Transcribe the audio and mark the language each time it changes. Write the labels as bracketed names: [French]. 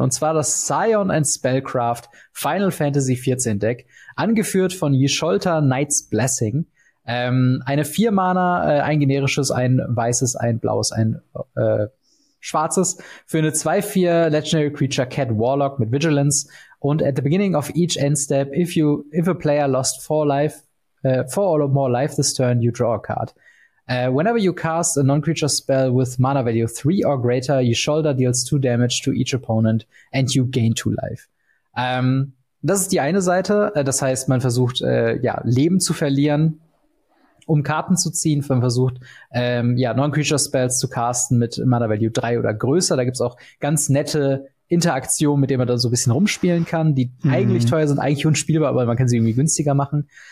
[German] Und zwar das Scion and Spellcraft Final Fantasy 14 Deck, angeführt von Ysholtar Knight's Blessing. Eine 4-Mana, ein generisches, ein weißes, ein blaues, ein schwarzes für eine 2-4 Legendary Creature Cat Warlock mit Vigilance. [English] Und at the beginning of each end step, if a player lost 4 life, 4 or more life this turn, you draw a card. Whenever you cast a non-creature spell with mana value 3 or greater, you shoulder deals 2 damage to each opponent and you gain 2 life. [German] Das ist die eine Seite. Das heißt, man versucht, Leben zu verlieren, um Karten zu ziehen. Man versucht, Non-Creature-Spells zu casten mit Mana Value 3 oder größer. Da gibt's auch ganz nette Interaktionen, mit denen man da so ein bisschen rumspielen kann, die eigentlich teuer sind, eigentlich unspielbar, aber man kann sie irgendwie günstiger machen.